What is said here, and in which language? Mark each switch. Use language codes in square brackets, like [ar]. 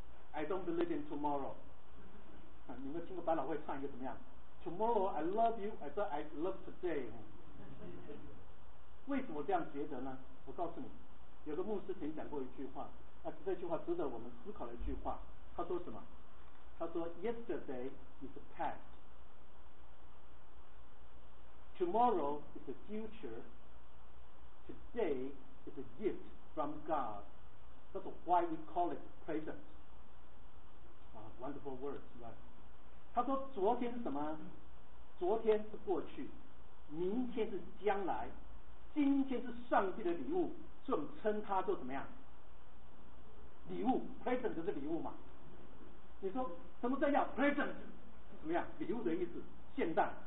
[en] I don't believe in tomorrow、 [zh] 啊、你们听过百老汇唱一个怎么样？ [en] Tomorrow I love you as I love today。 [zh] 为什么这样觉得呢？我告诉你，有个牧师曾讲过一句话啊，这句话值得我们思考的一句话。他说什么？他说 [en] Yesterday is past, tomorrow is the future, today is a gift from God. That's why we call it present. Wonderful words, right? [zh] 他说昨天是什么？昨天是过去，明天是将来，今天是上帝的礼物，所以我们称它做怎么样？礼物 present 就是礼物嘛。你说什么叫 present 怎么样，礼物的意思，现在。